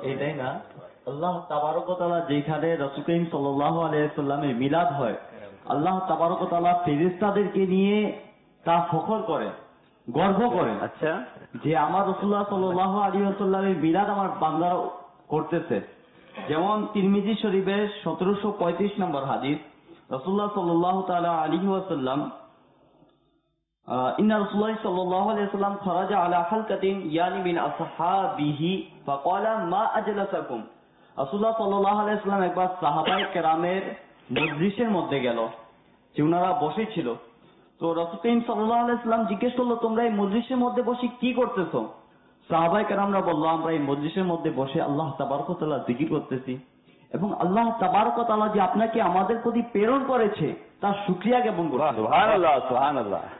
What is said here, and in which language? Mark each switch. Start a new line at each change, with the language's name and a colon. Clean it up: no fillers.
Bangla: এটাই না, আল্লাহ তাবারক ওয়া তাআলা যেখানে রাসূল করিম সাল্লাল্লাহু আলাইহি সাল্লামের মিলাদ হয়, আল্লাহ তাবারক ওয়া তাআলা ফেরেশতাদেরকে নিয়ে তা ফখর করেন, গর্ব করেন। আচ্ছা, যে আমার রাসূলুল্লাহ সাল্লাল্লাহু আলাইহি ওয়াসাল্লামের বিলাদ আমার বান্দারা করতেছে। যেমন তিরমিজি শরীফের 1735 নম্বর হাদিস, রাসূলুল্লাহ সাল্লাল্লাহু তাআলা আলাইহি ওয়াসাল্লাম
Arabic: ان رسول الله صلى الله عليه وسلم
Bangla: خرج على حلقه يعني من اصحابه فقال ما اجلسكم رسول الله صلى الله عليه وسلم একবার সাহাবায়ে কেরামের মজলিসের মধ্যে গেল যে উনারা বসেছিল। তো রাসূল করিম সাল্লাল্লাহু আলাইহি সাল্লাম জিজ্ঞেস করলো, তোমরা এই মজলিসের মধ্যে বসে কি করতেছো? সাহাবায়ে কেরামরা বলল, আমরা এই মজলিসের মধ্যে বসে আল্লাহ তাবারক ওয়া তাআলা জিকির করতেছি এবং আল্লাহ তাবারক ওয়া তাআলা যে আপনাকে আমাদের প্রতি প্রেরণ করেছে তার শুকরিয়া জ্ঞাপন করছি। সুবহানাল্লাহ সুবহানাল্লাহ।